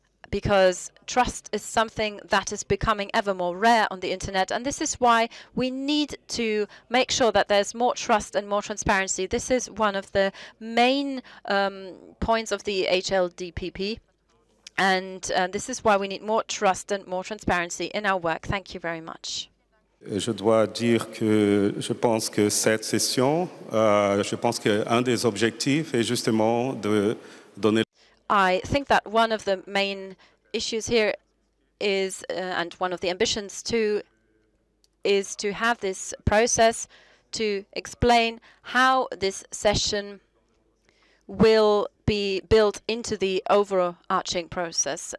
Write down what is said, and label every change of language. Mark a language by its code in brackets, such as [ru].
[en] because trust is something that is becoming ever more rare on the internet, and this is why we need to make sure that there's more trust and more transparency. This is one of the main points of the HLDPP, and this is why we need more trust and more transparency in our work. Thank you very much. [fr] Je dois dire que je pense que cette session, je pense qu'un des objectifs est justement de donner. [en] I think that one of the main issues here is, and one of the ambitions too, is to have this process to explain how this session will be built into the overarching process.